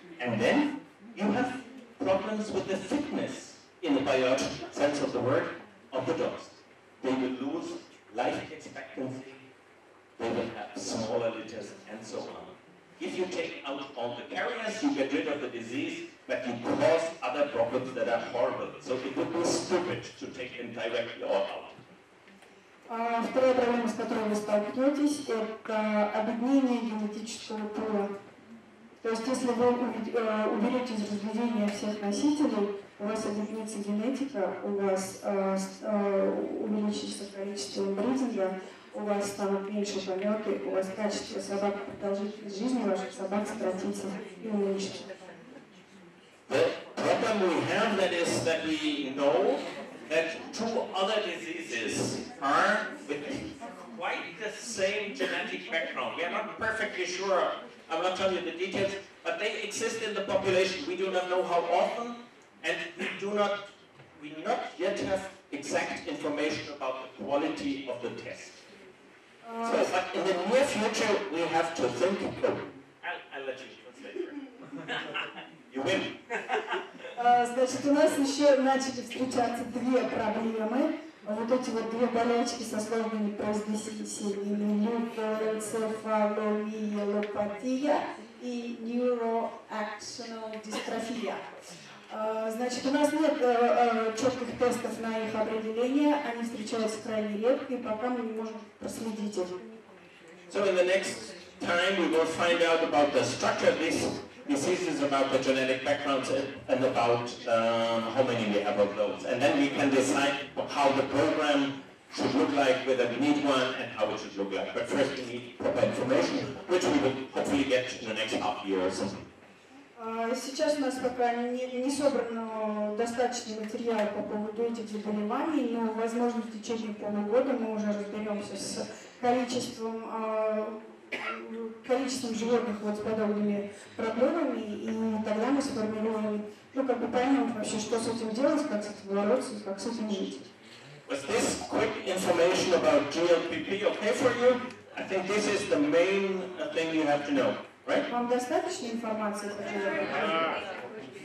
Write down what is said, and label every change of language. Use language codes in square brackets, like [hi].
[en] And then you have problems with the fitness, in the biological sense of the word, of the dogs. They will lose life expectancy, they will have smaller litters, and so on. If you take out all the carriers, you get rid of the disease, but you cause other problems that are horrible. So it would be stupid to take them directly all out. [ru] Вторая проблема, с которой вы столкнетесь, это обеднение генетического пула. То есть если вы уберете из разведения всех носителей, у вас обеднится генетика, у вас увеличится количество бридинга, у вас станут меньше пометы, у вас качество собак, продолжительность жизни ваших собак сократится и уменьшится. [en] The problem we have that is that we know that two other diseases are with quite the same genetic background. We are not perfectly sure, I'm not telling you the details, but they exist in the population. We do not know how often, and we do not yet have exact information about the quality of the test. So, but in the near future, we have to think. I'll let you translate. You win. [ru] Значит, у нас еще начали встречаться две проблемы. Вот эти вот две болячки со сложными произнесениями. Нейроэнцефалопатия и нейроакционал дистрофия. Значит, у нас нет четких тестов на их определение. Они встречаются крайне редко, и пока мы не можем проследить их. [en] So in the next time we will find out about the structure of this diseases, about the genetic backgrounds, and about how many we have of those. And then we can decide how the program should look like, whether we need one, and how it should look like. But first we need proper information, which we will hopefully get in the next half year or something. [ru] Сейчас у нас пока не собрано достаточный материал по поводу этих заболеваний, но, возможно, в течение полугода мы уже разберемся с количеством животных вот с подобными проблемами, и тогда мы сформируем, ну как бы поймем вообще, что с этим делать, как с этим бороться, как с этим жить. [en] Was this quick information about GLPP okay for you? I think this is the main thing you have to know, right? [ru] Вам достаточно информации по GLPP?